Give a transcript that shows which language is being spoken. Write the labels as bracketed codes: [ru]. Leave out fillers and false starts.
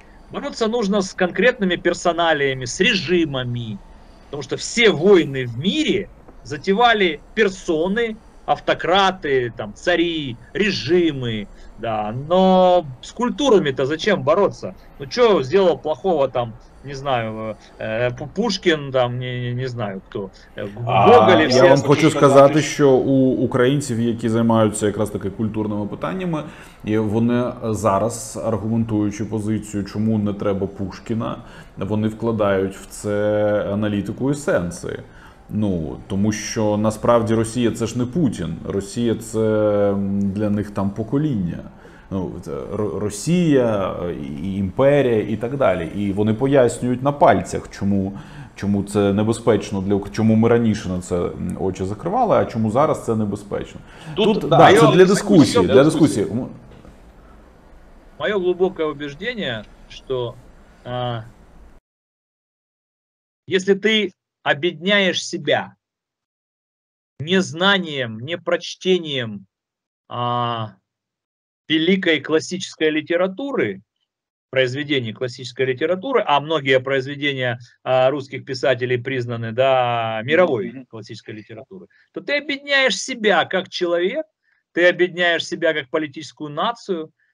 [ru] Бороться нужно с конкретными персоналиями, с режимами, потому что все войны в мире затевали персоны, автократы, там, цари, режимы, да, но с культурами-то зачем бороться? Ну что сделал плохого там, не знаю, Пушкін там, не знаю, хто. [uk] Гоголь, я вам хочу сказати, що у українців, які займаються якраз таки культурними питаннями, і вони зараз, аргументуючи позицію, чому не треба Пушкіна, вони вкладають в це аналітику і сенси. Ну, тому що насправді Росія це ж не Путін. Росія це для них там покоління. Ну, Росія, і імперія і так далі. І вони пояснюють на пальцях, чому це небезпечно, чому ми раніше на це очі закривали, а чому зараз це небезпечно. Це для дискусії. Моє глибоке убеждення, що якщо ти об'єднаєш себе незнанням, [ru] непрочтенням, великой классической литературы, произведений классической литературы, а многие произведения русских писателей признаны, да, мировой классической литературы, то ты обедняешь себя как человек, ты обедняешь себя как политическую нацию.